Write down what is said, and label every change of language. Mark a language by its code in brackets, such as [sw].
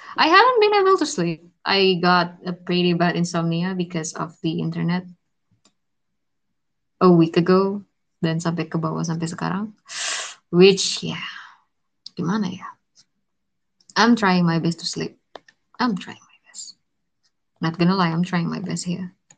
[en] I haven't been able to sleep. I got a pretty bad insomnia because of the internet a week ago. [id] Dan sampai ke bawah sampai sekarang. [en] Which, yeah. [id] Gimana ya? [en] I'm trying my best to sleep. I'm trying my best. Not gonna lie, I'm trying my best here.